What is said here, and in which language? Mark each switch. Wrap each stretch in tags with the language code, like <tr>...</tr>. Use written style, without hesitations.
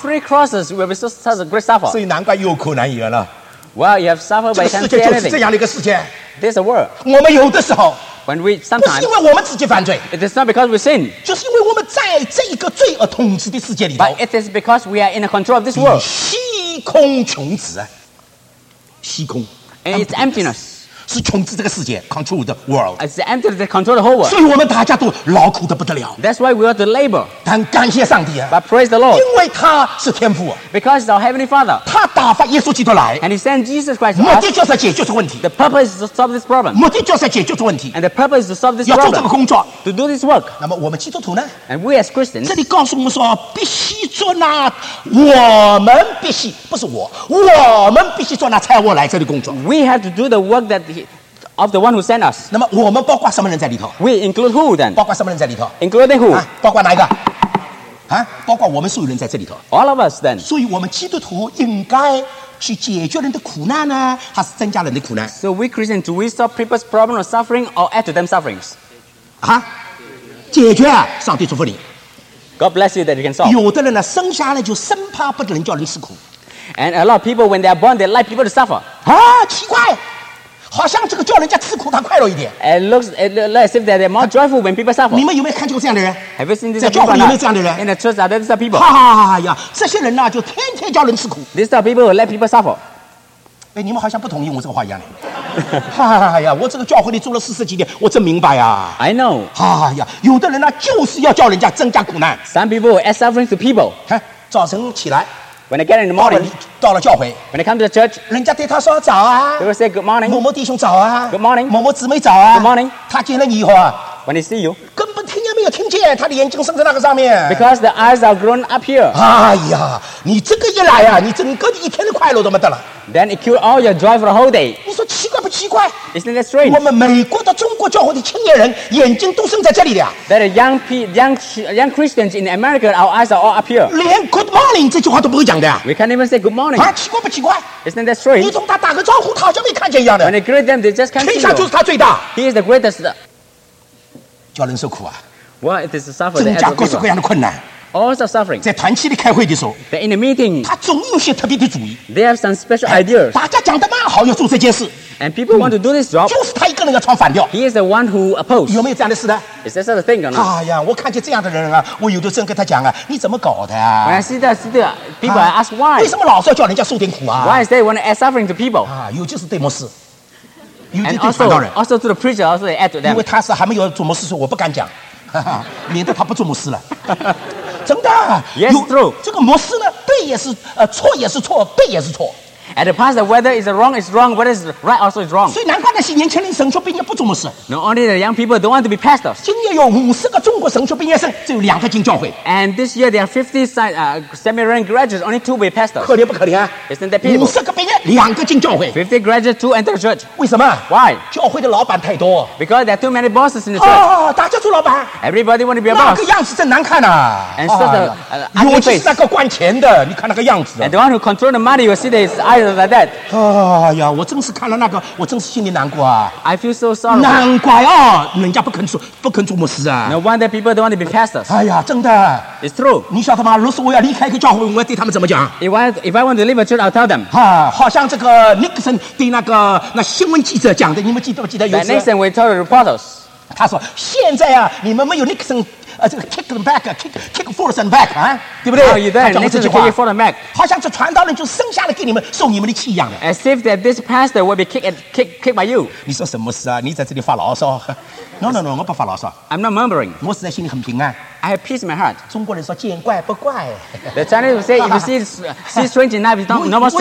<en>Three crosses will be such a great suffer.</en> <zh>所以难怪又苦难言了,</zh> <en>well, you have suffered by can't say anything.</en> <zh>这个世界就是这样的一个世界,</zh> <en>this is a world.</en> <zh>我们有的时候,</zh> <en>when we sometimes,</en> <zh>不是因为我们自己犯罪,</zh> <en>it is not because we sin,</en> <zh>就是因为我们在这一个罪而统治的世界里头,</zh> <en>but it is because we are in the control of this world.</en> <zh>虚空穷止, 虚空,</zh> <en>and it's emptiness.</en> <zh>是控制这个世界,</zh> <en>control the world. It's the entity that control the whole world.</en> <zh>所以我们大家都劳苦得不得了,</zh> <en>that's why we are to labor.</en> <zh>但感谢上帝啊,</zh> <en>but praise the Lord.</en> <zh>因为他是天父,</zh> <en>because it's our heavenly father.</en> <zh>他打发耶稣基督来,</zh> <en>and he sent Jesus Christ to us.</en> <zh>目的就是解决这个问题,</zh> <en>the purpose is to solve this problem.</en> <zh>目的就是解决这个问题,</zh> <en>and the purpose is to solve this problem.</en> <zh>要做这个工作,</zh> <en>to do this work.</en> <zh>那么我们基督徒呢,</zh> <en>and we as Christians,</en> <zh>这里告诉我们说, 必须做那, 我们必须, 不是我, 我们必须做那差我来这里工作,</zh> <en>we have to do the work that of the one who sent us.</en> <zh>那么我们包括什么人在里头?</zh> <en>We include who then?</en> <zh>包括什么人在里头?</zh> <en>Including who?</en> <zh>包括哪一个? 包括我们所有人在这里头?</zh> <en>All of us then.</en> <zh>所以我们基督徒应该去解决人的苦难呢, 还是增加人的苦难?</zh> <en>So we Christians, do we solve people's problem or suffering or add to them sufferings?</en> <zh>解决啊, 上帝祝福你。</zh> <en>God bless you that you can solve.</en> <zh>有的人呢, 生下来就生怕不能叫人吃苦。</zh> <en>And a lot of people, when they are born, they like people to suffer.</en> <zh>啊,奇怪!好像这个叫人家吃苦他快乐一点,</zh> <en>it looks as if that they're more joyful when people suffer.</en> <zh>你们有没有看见过这样的人?</zh> <en>Have you seen these</en> <zh>在教会,</zh> <en>people?</en> <zh>有没有这样的人?</zh> <en>In the church, are there these people?</en> <zh>哈哈哈哈, 这些人啊, 就天天叫人吃苦,</zh> <en>these are people who let people suffer.</en> <zh>诶, 你们好像不同意我这个话一样的。哈哈哈哈, 我这个教会里住了40几年, 我真明白啊。</zh> <en>I know.</en> <zh>哈哈哈哈, 有的人啊, 就是要叫人家增加苦难。</zh> <en>Some people add suffering to people.</en> <zh>早晨起来,</zh> <en>when they get in the morning,</en> <zh>到了教会,</zh> <en>when they come to the church,</en> <zh>人家对他说早啊,</zh> <en>they will say good morning,</en> <zh>某某弟兄早啊,</zh> <en>good morning,</en> <zh>某某姊妹早啊,</zh> <en>good morning.</en> <zh>他见了你以后啊,</zh> <en>when they see you,</en> <zh>根本听见没有听见, 他的眼睛生在那个上面,</zh> <en>because the eyes are grown up here.</en> <zh>哎呀, 你这个一来啊, 你整个一天的快乐都没得了。</zh> <en>Then it killed all your joy for the whole day.</en> <zh>你说奇怪不奇怪?</zh> <en>Isn't that strange?</en> <zh>我们美国的中国教会的青年人眼睛都生在这里的。</zh> <en>That young Christians in America, our eyes are all up here.</en> <zh>连</zh> <en>good morning</en> <zh>这句话都不会讲的。</zh> <en>We can't even say good morning.</en> <zh>啊,奇怪不奇怪?</zh> <en>Isn't that strange?</en> <zh>你从他打个招呼,他好像没看见一样的。</zh> <en>When they greet them, they just can't see</en> <zh>you. 天下就是他最大。</zh> <en>He is the greatest.</en> <zh>叫人受苦啊。</zh> <en>Well, it is to suffer.</en> <zh>增加各式各样的困难。</zh> <en>All the suffering.</en> <zh>在团契里开会的时候,</zh> <en>they're in a meeting.</en> <zh>他总有些特别的主意,</zh> <en>they have some special ideas.</en> <zh>大家讲得蛮好要做这件事,</zh> <en>and people want to do this job.</en> <zh>就是他一个人要唱反调。</zh> <en>He is the one who opposed.</en> <zh>有没有这样的事呢?</zh> <en>Is that a thing or not?</en> <zh>哎呀, 我看见这样的人啊, 我有的时候跟他讲啊, 你怎么搞的啊?</zh> <en>When I see that, people, I ask why?</en> <zh>为什么老是要叫人家受点苦啊?</zh> <en>Why is they want to add suffering to people?</en> <zh>尤其是对牧师。</zh> <en>And also to the preacher, also they add to them.</en> <zh>因为他是还没有做牧师的时候,我不敢讲。免得他不做牧师了。真的,</zh> <en>yes, true.</en> <zh>这个牧师呢, 对也是, 错也是错, 对也是错。</zh> <en>At the past, whether it's wrong, it's wrong. Whether it's right, also it's wrong.</en> <zh>所以难怪那些年轻人神学毕业不做牧师。</zh> <en>Not only the young people don't want to be pastors.</en> <zh>今年有50个中国神学毕业生, 只有2个进教会。</zh> <en>And this year, there are 50 seminary graduates, only 2 will be pastors.</en> <zh>可怜不可怜?</zh> <en>Isn't that pitiful?</en> <zh>50个毕业,两个进教会。</zh> <en>50 graduates, 2 enter the church.</en> <zh>为什么？</zh> <en>Why?</en> <zh>教会的老板太多。</zh> <en>Because there are too many bosses in the church.</en> <zh>大家做老板。</zh> <en>Everybody want to be a boss.</en> <zh>那个样子真难看啊。</zh> <en>And so the ugly face.</en> <zh>尤其是那个管钱的，你看那个样子。</zh> <en>And the one who control the money, you see his eyes like that.</en> <zh>哎呀，我真是看了那个，我真是心里难过啊。</zh> <en>I feel so sorry.</en> <zh>难怪啊，人家不肯做牧师啊。</zh> <en>No wonder people don't want to be pastors.</en> <zh>哎呀，真的。</zh> <en>It's true.</en> <zh>你晓得吗？如果我要离开一个教会，我要对他们怎么讲？</zh> <en>If I want to leave a church, I'll tell them.</en> <zh>好像这个 Nixon 对那新闻记者讲的，你们记得有一次</zh> <en>？Nixon will tell the reporters.</en> <zh>他说：“现在啊，你们没有 Nixon， 这个</zh> <en>kick them back, kick force them back</en> <zh>啊，对不对？” 有的</zh> <en>，Nixon kick force them back.</en> <zh>好像这传道人就剩下了给你们受你们的气一样的。</zh> <en>As if that this pastor will be kicked by you.</en> <zh>你说什么事啊？你在这里发牢骚？No, 我不发牢骚。</zh> <en>I'm not murmuring.</en> <zh>我是在心里很平安。</zh> <en>I have peace in my heart.</en> <zh>中国人说见怪不怪。</zh> <en>The Chinese will say, if you see strange in life, it's not normal strange.</en>